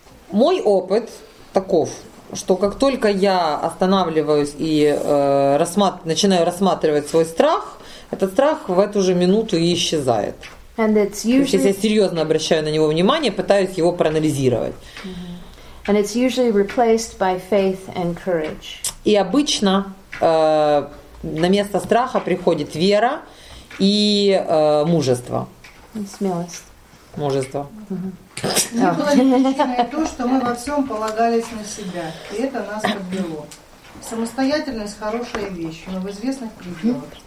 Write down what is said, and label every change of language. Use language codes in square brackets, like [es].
[ru] Мой опыт таков, что как только я останавливаюсь и начинаю рассматривать свой страх, этот страх в эту же минуту и исчезает. [en] And it's usually... [ru] То есть, если я серьезно обращаю на него внимание, пытаюсь его проанализировать. Mm-hmm. [en] And it's usually replaced by faith and courage. [ru] И обычно на место страха приходит вера и мужество. Смелость. Мужество. Не было личное то, что мы во всем полагались на себя, и это нас подвело. Самостоятельность – хорошая вещь, но в известных пределах.